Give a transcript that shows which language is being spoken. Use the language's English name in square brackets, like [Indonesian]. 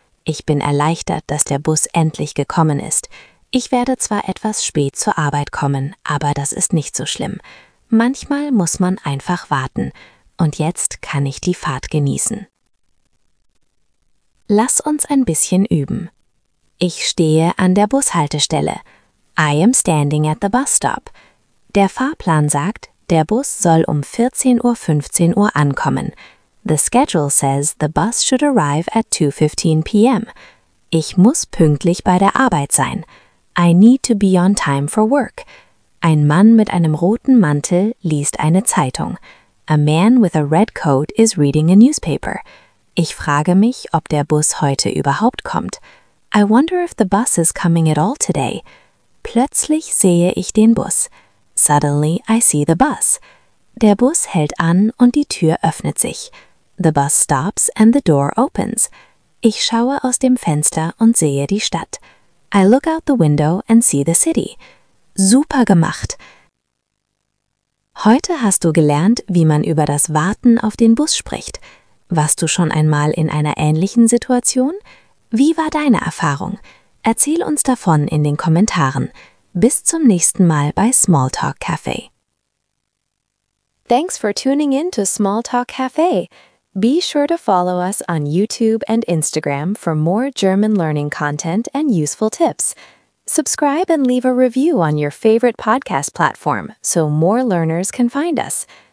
[German] Ich bin erleichtert, dass der Bus endlich gekommen ist. Ich werde zwar etwas spät zur Arbeit kommen, aber das ist nicht so schlimm. Manchmal muss man einfach warten. Und jetzt kann ich die Fahrt genießen. Lass uns ein bisschen üben. Ich stehe an der Bushaltestelle. [English] I am standing at the bus stop. [German] Der Fahrplan sagt, der Bus soll um 14.15 Uhr ankommen. [English] The schedule says the bus should arrive at 2:15 p.m. [German] Ich muss pünktlich bei der Arbeit sein. [English] I need to be on time for work. [German] Ein Mann mit einem roten Mantel liest eine Zeitung. [English] A man with a red coat is reading a newspaper. [German] Ich frage mich, ob der Bus heute überhaupt kommt. [English] I wonder if the bus is coming at all today. [German] Plötzlich sehe ich den Bus. [English] Suddenly I see the bus. [German] Der Bus hält an und die Tür öffnet sich. [English] The bus stops and the door opens. [German] Ich schaue aus dem Fenster und sehe die Stadt. [English] I look out the window and see the city. [German] Super gemacht! Heute hast du gelernt, wie man über das Warten auf den Bus spricht. Warst du schon einmal in einer ähnlichen Situation? Wie war deine Erfahrung? Erzähl uns davon in den Kommentaren. Bis zum nächsten Mal bei Smalltalk Cafe. [English] Thanks for tuning in to Smalltalk Cafe. Be sure to follow us on YouTube and Instagram for more German learning content and useful tips. Subscribe and leave a review on your favorite podcast platform so more learners can find us.